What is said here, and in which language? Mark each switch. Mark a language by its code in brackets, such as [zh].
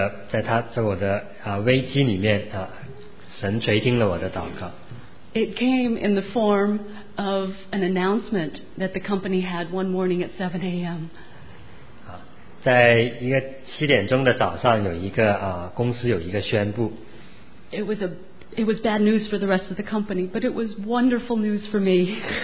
[zh] 在我的危机里面，神垂听了我的祷告。 [en] It came in the form of an announcement that the company had one morning at 7 a.m. [zh] 在一个7点钟的早上，有一个公司有一个宣布。 [en] It was bad news for the rest of the company, but it was wonderful news for me.